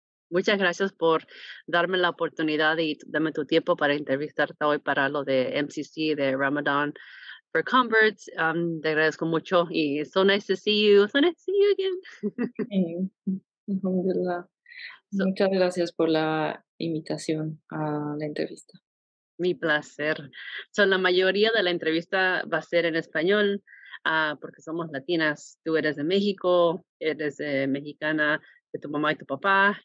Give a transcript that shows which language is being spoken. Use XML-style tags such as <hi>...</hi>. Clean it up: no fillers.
<es>Muchas gracias por darme la oportunidad y darme tu tiempo para entrevistarte hoy para lo de MCC, de Ramadan for Converts. Te agradezco mucho y</es> <en>it's so nice to see you, so nice to see you again.</en> <es>Alhamdulillah, muchas gracias por la invitación a la entrevista. Mi placer. So, la mayoría de la entrevista va a ser en español, porque somos latinas. Tú eres de México, eres mexicana de tu mamá y tu papá.</es>